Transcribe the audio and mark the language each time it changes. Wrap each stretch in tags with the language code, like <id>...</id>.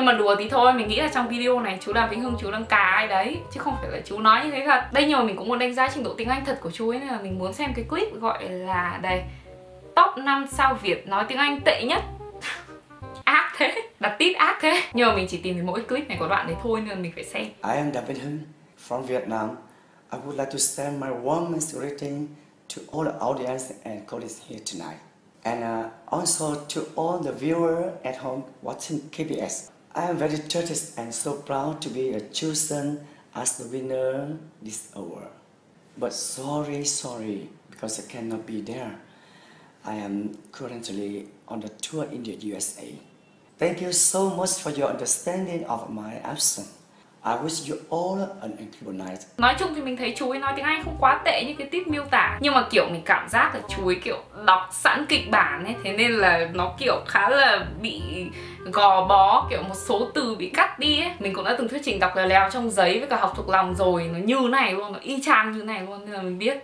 <vi>Nhưng mà đùa thì thôi, mình nghĩ là trong video này chú Đàm Vĩnh Hưng chú đang cà ai đấy, chứ không phải là chú nói như thế thật. Đây, nhưng mà mình cũng muốn đánh giá trình độ tiếng Anh thật của chú ấy, nên là mình muốn xem cái clip gọi là đây, top 5 sao Việt nói tiếng Anh tệ nhất. Ác thế, đặt tít ác thế. Nhưng mà mình chỉ tìm thấy mỗi clip này có đoạn đấy thôi nên là mình phải xem.</vi> <en>I am Đàm Vĩnh Hưng from Vietnam. I would like to send my warmest greeting to all the audience and colleagues here tonight. And also to all the viewers at home watching KBS. I am very touched and so proud to be chosen as the winner this award. But sorry, because I cannot be there. I am currently on the tour in the USA. Thank you so much for your understanding of my absence. I wish you all an incredible night.</en> <vi>Nói chung thì mình thấy chú ấy nói tiếng Anh không quá tệ như cái tip miêu tả. Nhưng mà kiểu mình cảm giác là chú ấy kiểu đọc sẵn kịch bản ấy. Thế nên là nó kiểu khá là bị gò bó, kiểu một số từ bị cắt đi ấy. Mình cũng đã từng thuyết trình đọc lèo lèo trong giấy với cả học thuộc lòng rồi, nó như này luôn, nó y chang như này luôn, nên là mình biết.</vi>